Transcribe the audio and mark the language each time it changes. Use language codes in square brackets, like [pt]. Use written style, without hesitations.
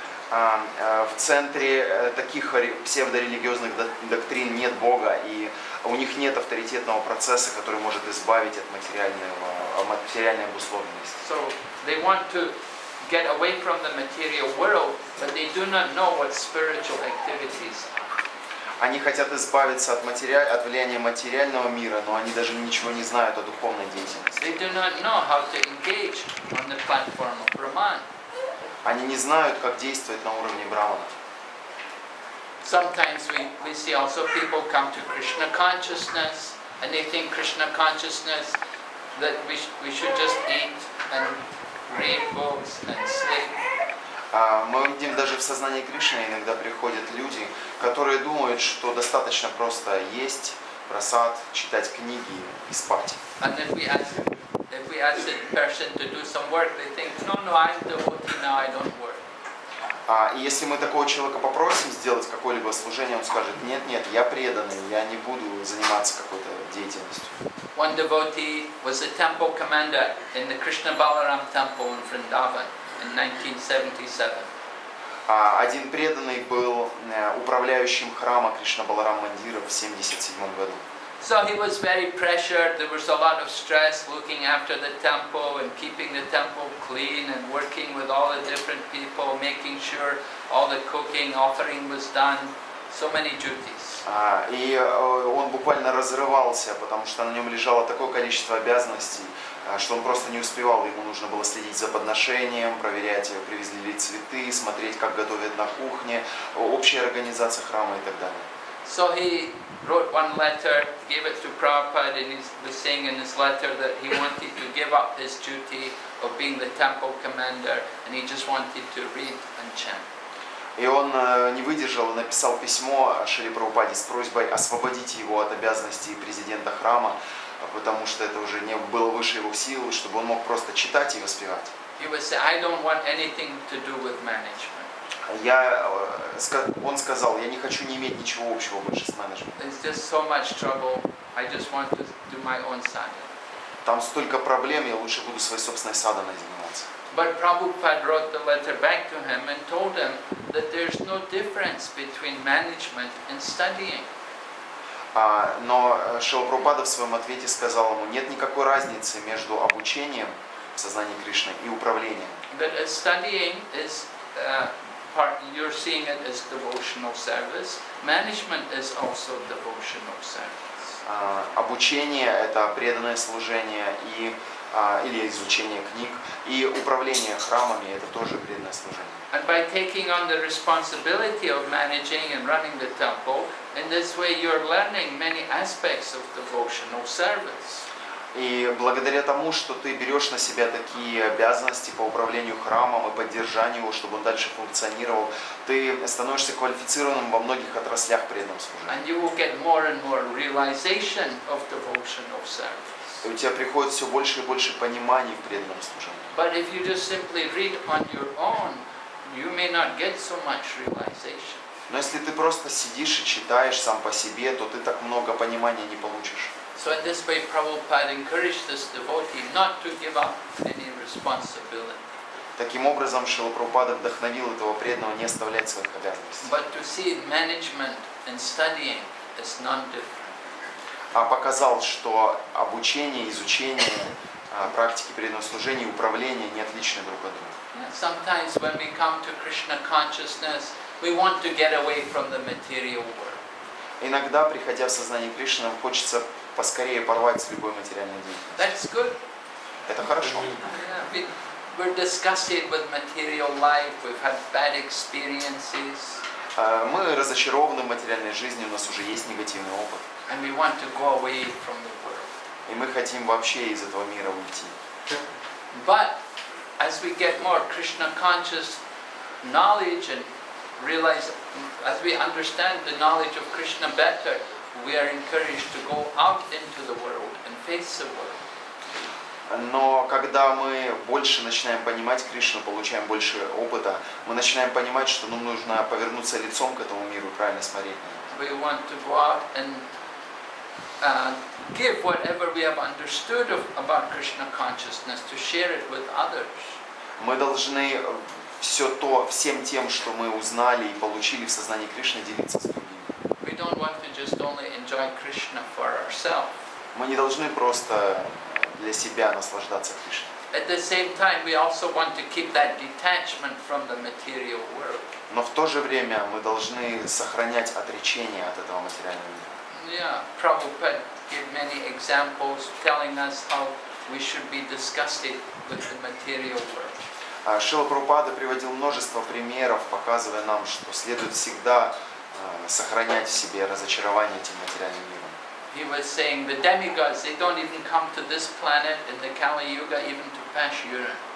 [ru] В центре таких псевдорелигиозных доктрин нет Бога, и у них нет авторитетного процесса, который может избавить от материальной обусловленности. [en] So they want to get away from the material world, but they do not know what spiritual activities are. [ru] Они хотят избавиться от влияния материального мира, но они даже ничего не знают о духовной деятельности. [en] They do not know how to engage on the platform of Brahman. [ru] Они не знают, как действовать на уровне Брахмана. [en] Sometimes we see also people come to Krishna consciousness, and they think Krishna consciousness that we should just eat and read books and sleep. [ru] Мы видим, даже в сознании Кришны иногда приходят люди, которые думают, что достаточно просто есть просад, читать книги и спать. [en] And if we ask the person to do some work, they think, no, I'm devotee now, I don't work. [ru] И если мы такого человека попросим сделать какое-либо служение, он скажет, нет, я преданный, я не буду заниматься какой-то деятельностью. [en] One devotee was a temple commander in the Krishna Balaram temple in Vrindavan in 1977. [ru] Один преданный был управляющим храма Кришна Баларам Мандира в 1977 году. [en] So he was very pressured, there was a lot of stress looking after the temple and keeping the temple clean and working with all the different people, making sure all the cooking, offering was done, so many duties. [ru] Он буквально разрывался, потому что на нем лежало такое количество обязанностей, что он просто не успевал, ему нужно было следить за подношением, проверять, привезли ли цветы, смотреть, как готовят на кухне, общая организация храма и так далее. [en] So he wrote one letter, gave it to Prabhupada, and he was saying in his letter that he wanted to give up his duty of being the temple commander, and he just wanted to read and chant. [ru] И он не выдержал, написал письмо Шри Прабхупаде с просьбой освободить его от обязанностей президента храма, потому что это уже не было выше его силы, чтобы он мог просто читать и воспевать. [en] He would say, I don't want anything to do with management. [ru] Он сказал, я не хочу не иметь ничего общего больше с менеджментом. [en] It's just so much trouble. I just want to do my own sadhana. [ru] Там столько проблем, я лучше буду своей собственной садханой заниматься. [en] But Prabhupada wrote the letter back to him and told him that there's no difference between management and studying. [ru] Но Шрила Прабхупада в своем ответе сказал ему, нет никакой разницы между обучением в сознании Кришны и управлением. [en] But studying is part, you're seeing it as devotional service. Management is also devotional service. [ru] Обучение — это преданное служение и или изучение книг, и управление храмами — это тоже преданное служение. [en] And by taking on the responsibility of managing and running the temple, in this way you're learning many aspects of devotional service. [ru] И благодаря тому, что ты берешь на себя такие обязанности по управлению храмом и поддержанию его, чтобы он дальше функционировал, ты становишься квалифицированным во многих отраслях преданного служения. [en] And you will get more and more realization of devotional service. [ru] И у тебя приходит все больше и больше пониманий в преданном служении. [en] But if you just simply read on your own, you may not get so much realization. [ru] Но если ты просто сидишь и читаешь сам по себе, то ты так много понимания не получишь. [en] So in this way, Prabhupada encouraged this devotee not to give up any responsibility. [ru] Таким образом, Шрила Прабхупада вдохновил этого преданного не оставлять своих обязанностей. [en] But to see management and studying as non-different. [ru] А показал, что обучение, изучение, практики преданного служения и управления не отличны друг от друга. [en] Sometimes when we come to Krishna consciousness, we want to get away from the material world. [ru] Иногда, приходя в сознание Кришны, нам хочется поскорее порвать с любой материальной деятельностью. [en] That's good. [ru] Это хорошо. [en] We're disgusted with material life. We've had bad experiences. [ru] Мы разочарованы в материальной жизни. У нас уже есть негативный опыт. [en] And we want to go away from the world. [ru] И мы хотим вообще из этого мира уйти. [en] But as we get more Krishna conscious knowledge and realize, as we understand the knowledge of Krishna better, we are encouraged to go out into the world and face the world. [ru] Но когда мы больше начинаем понимать Кришну, получаем больше опыта, мы начинаем понимать, что нам нужно повернуться лицом к этому миру, правильно смотреть. [en] We want to go out and give whatever we have understood of about Krishna consciousness to share it with others. [ru] Мы должны все то, всем тем, что мы узнали и получили в сознании Кришны, делиться с другими. [en] We don't want to just only enjoy Krishna for ourselves. [ru] Мы не должны просто для себя наслаждаться Кришной. [en] At the same time, we also want to keep that detachment from the material world. [ru] Но в то же время мы должны сохранять отречение от этого материального мира. [en] Yeah, Prabhupada gave many examples telling us how we should be disgusted with the material world. [ru] Шрила Прабхупада приводил множество примеров, показывая нам, что следует всегда сохранять в себе разочарование этим материальным миром. [en] He was saying the demigods, they don't even come to this planet in the Kali Yuga even to pass urine.